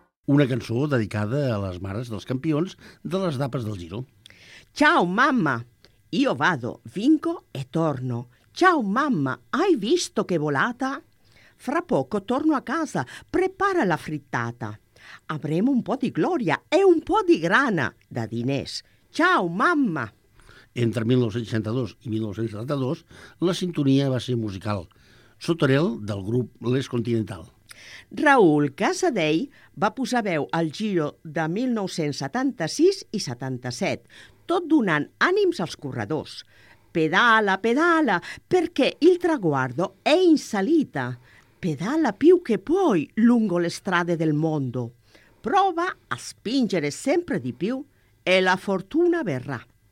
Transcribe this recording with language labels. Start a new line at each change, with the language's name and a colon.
Catalan: Una cançó dedicada a les mares dels campions de les etapes del Giro.
Italian: Ciao mamma, io vado, vinco e torno. Ciao mamma, hai visto che volata? Fra poco torno a casa, prepara la frittata. Avremo un po' di gloria e un po' di grana da diners. Ciao mamma!
Catalan: Entre 1962 i 1972, la sintonia va ser musical. Sotorel del grup Les Continental. Raúl Casadei va posar veu al Giro de 1976 i 77, tot donant ànims als corredors.
Italian: Pedala, pedala, perquè il traguardo è in salita. Pedala più che puoi lungo le strade del mondo. Prova a spingere sempre di più e la fortuna verrà.